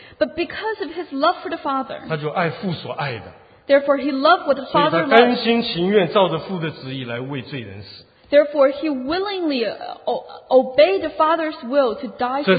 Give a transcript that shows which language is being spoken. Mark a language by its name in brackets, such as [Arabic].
[English] but because of his love for the Father, [Chinese] 他就爱父所爱的, [English] therefore he loved what the Father loved. [Chinese] 所以他甘心情愿照着父的旨意来为罪人死。 [English] Therefore, he willingly obeyed the Father's will to die for